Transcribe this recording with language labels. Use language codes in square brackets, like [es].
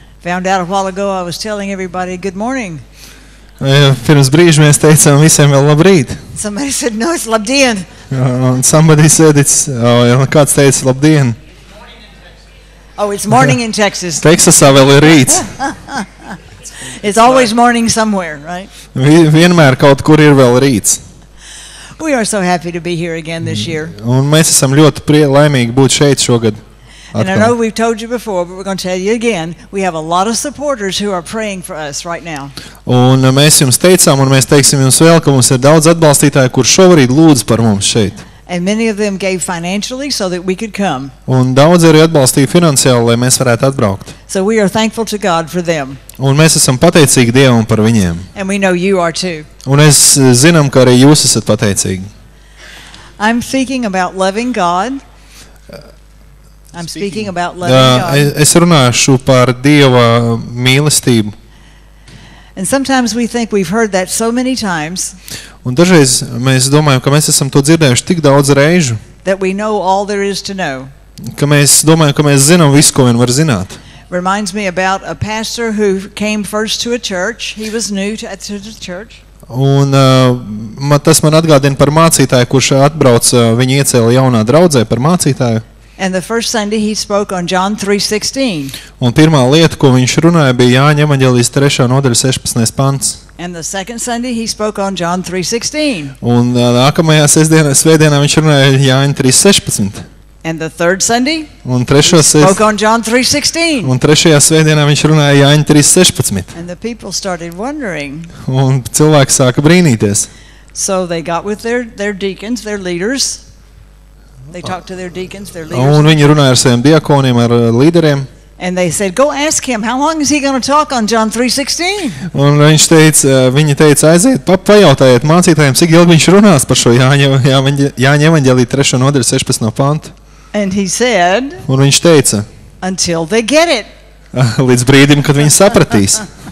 [en] Found out a while ago I was telling everybody good morning. [lv] Pirms brīža mēs teicām visiem vēl labrīt. [en] Somebody said no, it's labdien. Somebody said it's, [lv] kāds teica labdien. [en] Oh, it's morning in Texas. [lv] Teksasā vēl ir rīts. [en] It's always morning somewhere, right? [lv] Vienmēr kaut kur ir vēl rīts. [en] We are so happy to be here again this year. [lv] Un mēs esam ļoti laimīgi būt šeit šogad. [en] And I know we've told you before, but we're going to tell you again, we have a lot of supporters who are praying for us right now. [lv] Un mēs jums teicām, un mēs teiksim jums vēl, ka mums ir daudz atbalstītāju, kur šovarīd lūdz par mums šeit. [en] And many of them gave financially so that we could come. [lv] Un daudz arī atbalstīja finansiāli, lai mēs varētu atbraukt. [en] So we are thankful to God for them. [lv] Un mēs esam pateicīgi Dievam par viņiem. [en] And we know you are too. [lv] Un es zinām, ka arī jūs esat pateicīgi. [en] I'm thinking about loving God. I'm speaking about loving God. [lv] Es runāšu par Dieva mīlestību. [en] And sometimes we think we've heard that so many times. [lv] Un dažreiz mēs domājam, ka mēs esam to dzirdējuši tik daudz reižu. [en] That we know all there is to know. [lv] Ka mēs domājam, ka mēs zinām visu, ko vien var zināt. [en] Reminds me about a pastor who came first to a church. He was new to the church. [lv] Un tas man atgādina par mācītāju, kurš atbrauc, viņa iecēla jaunā draudzē par mācītāju. [en] And the first Sunday he spoke on John 3:16. [lv] Un pirmā lieta, ko viņš runāja, bija Jāņa evaņģēlijas 3. nodaļas 16. pants. [en] And the second Sunday he spoke on John 3:16. [lv] Un nākamajā svētdienā viņš runāja Jāņa 3:16. [en] And the third Sunday? [lv] Un trešo [en] spoke on John 3:16. [lv] Un trešajā svētdienā viņš runāja Jāņa 3:16. [en] And the people started wondering. [lv] Un cilvēki sāka brīnīties. [en] So they got with their deacons, their leaders. They talked to their deacons, their leaders. [lv] Un viņi runāja ar saviem diakoniem, ar līderiem. [en] And they said, go ask him, how long is he going to talk on John 3:16? [lv] Un viņš teica, viņi teica, aiziet, pajautājiet mācītājiem, cik ilgi viņš runās par šo Jāņa evaņģēlija 3. nodaļu 16. pantu. [en] And he said, [lv] un viņš teica, [en] until they get it. [lv] Līdz brīdim, kad viņi sapratīs.